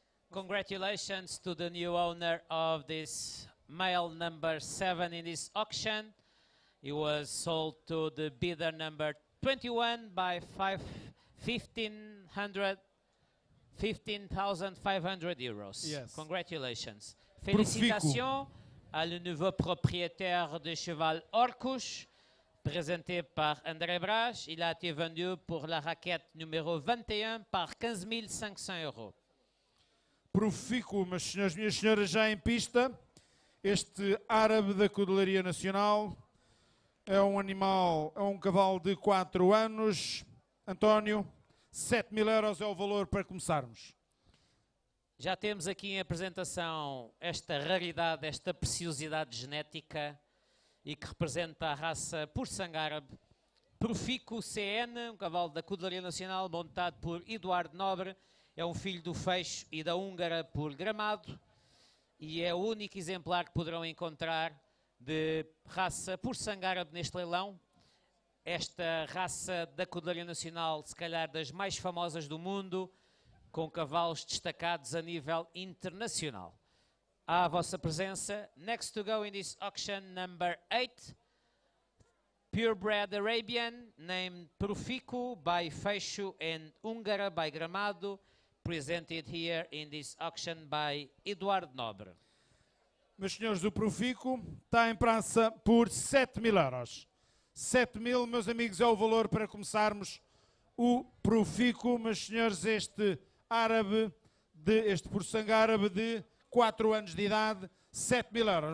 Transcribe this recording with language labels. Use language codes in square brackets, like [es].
[en] Congratulations to the new owner of this male number 7 in this auction. It was sold to the bidder number 21 by 15,500 euros. Yes. Congratulations. [fr] Félicitations à le nouveau propriétaire de cheval Orcus, présenté par André Brache. Il a été vendu pour la raquette numéro 21 par 15.500 euros. [pt] Profico, meus senhores, minhas senhoras, já em pista, este árabe da Codelaria Nacional é um animal, é um cavalo de 4 anos. António, 7.000 euros é o valor para começarmos. Já temos aqui em apresentação esta raridade, esta preciosidade genética e que representa a raça por sangue árabe. Profico CN, um cavalo da Cudelaria Nacional, montado por Eduardo Nobre. É um filho do Feixo e da Húngara por Gramado. E é o único exemplar que poderão encontrar de raça por sangue árabe neste leilão. Esta raça da Cudelaria Nacional, se calhar das mais famosas do mundo, com cavalos destacados a nível internacional. À vossa presença, [en] next to go in this auction, number 8, Purebred Arabian, named Profico by Feixo and Húngara by Gramado, presented here in this auction by Eduardo Nobre. [pt] Meus senhores, o Profico está em praça por 7.000 euros. 7.000, meus amigos, é o valor para começarmos o Profico. Meus senhores, este árabe, este por sangue árabe de 4 anos de idade, 7.000 euros.